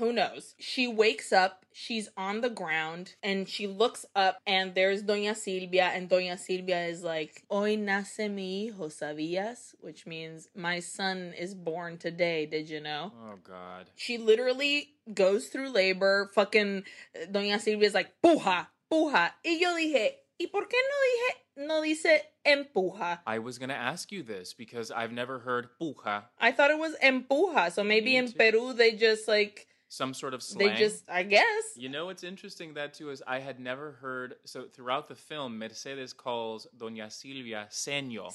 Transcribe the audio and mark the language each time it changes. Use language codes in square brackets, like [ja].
[en] Who knows? She wakes up, she's on the ground, and she looks up, and there's Doña Silvia, and Doña Silvia is like, [es] "Hoy nace mi hijo, ¿sabías?" [en] Which means, my son is born today, did you know? Oh, God. She literally goes through labor, fucking Doña Silvia's like, [es] "Puja, puja." Y yo dije, ¿y por qué no dije... No dice empuja. [en] I was going to ask you this because I've never heard puja. I thought it was empuja. So maybe in Peru they just like... Some sort of slang? They just, I guess. You know what's interesting that too is I had never heard... So throughout the film, Mercedes calls Doña Silvia seño.